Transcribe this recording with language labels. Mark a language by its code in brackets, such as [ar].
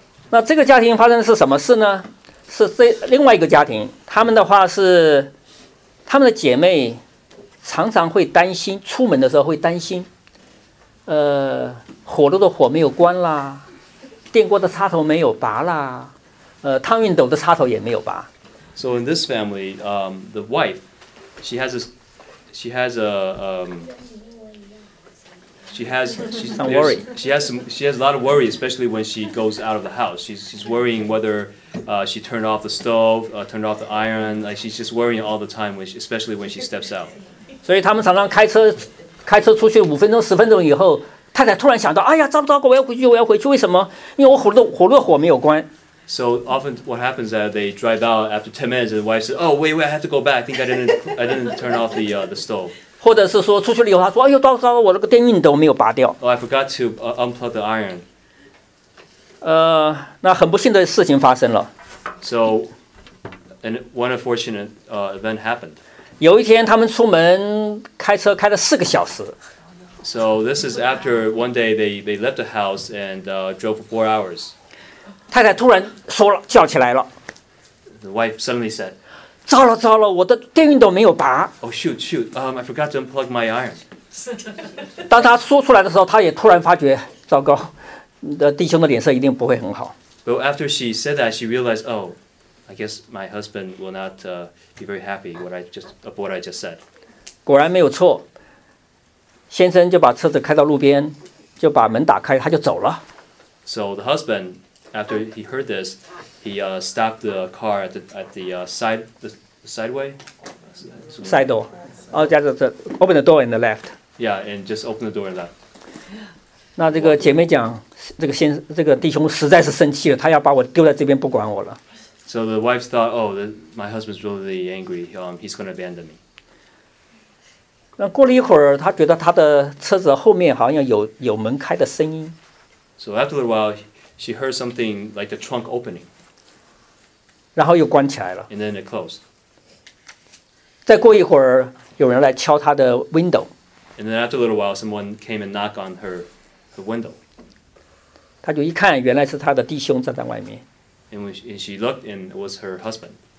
[zh] 那这个家庭发生的是什么事呢？是这另外一个家庭，他们的话是，他们的姐妹常常会担心，出门的时候会担心，火炉的火没有关啦，电锅的插头没有拔啦，汤熨斗的插头也没有拔。 [en] So in this family, the wife, she has a lot of worry, especially when she goes out of the house. She's worrying whether she turned off the stove, turned off the iron. Like she's just worrying all the time, especially when she steps out. [zh] 所以他们常常开车出去五分钟、十分钟以后，太太突然想到，哎呀，糟不糟糕，我要回去，为什么？因为我火炉的火没有关。 [en] So often, what happens is they drive out after 10 minutes, and the wife says, "Oh, wait, I have to go back. I think I didn't turn off the stove." [zh] 或者是说出去了以后，他说：“哎呦，糟糕，我那个电熨斗没有拔掉。” [en] Oh, I forgot to unplug the iron. [zh] 那很不幸的事情发生了。 [en] So, and one unfortunate event happened. [zh] 有一天，他们出门开车开了4个小时。 [en] So this is after one day they left the house and drove for 4 hours. [zh] 太太突然说了，叫起来了。 [en] The wife suddenly said. [zh] 糟了糟了，我的电熨斗没有拔。 [en] Oh shoot, shoot. I forgot to unplug my iron. [zh] 当他说出来的时候，他也突然发觉，糟糕，弟兄的脸色一定不会很好。 [en] But after she said that, she realized, oh, I guess my husband will not be very happy what I just said. [zh] 果然没有错，先生就把车子开到路边，就把门打开，他就走了。 [en] So the husband, after he heard this,He stopped the car at the side, the sideway? Side door. Oh, just open the door and the left. Yeah, and just open the door and left. [zh] 那这个姐妹讲，这个先这个弟兄实在是生气了，他要把我丢在这边不管我了。 [en] So the wife thought, oh, my husband's really angry. He's going to abandon me. [zh] 那过了一会儿，他觉得他的车子后面好像有门开的声音。 [en] So after a little while, she heard something like the trunk opening. [zh] 然后又关起来了。 [en] And then it closed. [zh] 再过一会儿，有人来敲他的 window. [en] And then after a little while, someone came and knocked on her. The window. [zh] 他就一看，原来是他的弟兄站在外面。 [en] And she looked, and it was her husband.